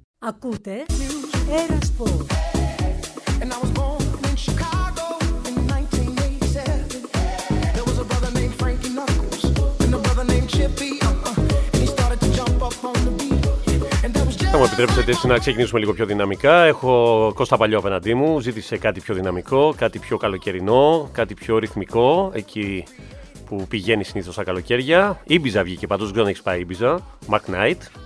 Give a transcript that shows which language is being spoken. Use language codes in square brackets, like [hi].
[el] Ακούτε Eurosport. [en] And I was born in Chicago in 1987. There was a brother named Frankie Knuckles and a brother named Chippy. He started to jump up on the beat. [el] Θα μου επιτρέψετε έτσι να ξεκινήσουμε λίγο πιο δυναμικά. Έχω Κώστα Παλιό απέναντί μου. Ζήτησε κάτι πιο δυναμικό, κάτι πιο καλοκαιρινό, κάτι πιο ρυθμικό. Εκεί που πηγαίνει συνήθως τα καλοκαίρια. Ibiza βγήκε παντός, δεν έχει πάει Ibiza. Mac Knight.